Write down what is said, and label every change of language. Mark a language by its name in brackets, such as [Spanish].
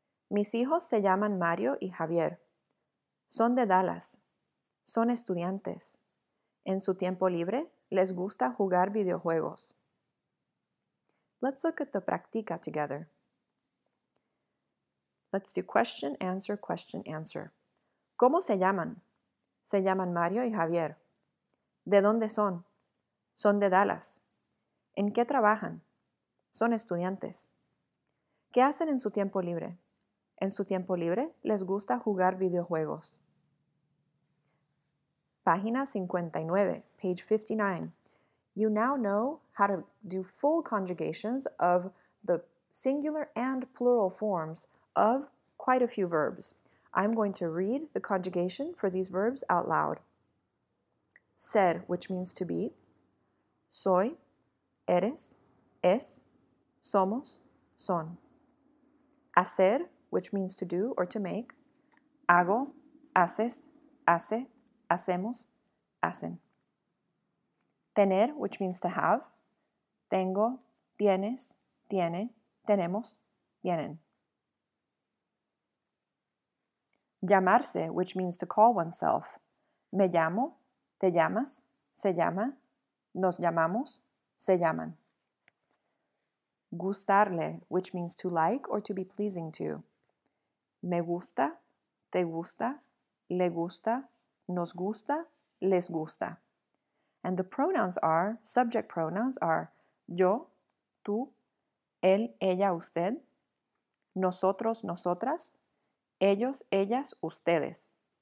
[Spanish] Mis hijos se llaman Mario y Javier. Son de Dallas. Son estudiantes. En su tiempo libre, les gusta jugar videojuegos. [English] Let's look at the practica together. Let's do question, answer, question, answer. [Spanish] ¿Cómo se llaman? Se llaman Mario y Javier. ¿De dónde son? Son de Dallas. ¿En qué trabajan? Son estudiantes. ¿Qué hacen en su tiempo libre? En su tiempo libre, les gusta jugar videojuegos. Página 59, [English] page 59. You now know how to do full conjugations of the singular and plural forms of quite a few verbs. I'm going to read the conjugation for these verbs out loud. [Spanish] Ser, [English] which means to be. [Spanish] Soy, eres, es, somos, son. [English] Hacer, which means to do or to make. [Spanish] Hago, haces, hace, hacemos, hacen. [English] Tener, which means to have. [Spanish] Tengo, tienes, tiene, tenemos, tienen. [English] Llamarse, which means to call oneself. [Spanish] Me llamo, te llamas, se llama, nos llamamos, se llaman. [English] Gustarle, which means to like or to be pleasing to. [Spanish] Me gusta, te gusta, le gusta, nos gusta, les gusta. [English] And the pronouns are, [Spanish] subject pronouns are, yo, tú, él, ella, usted, nosotros, nosotras, ellos, ellas, ustedes.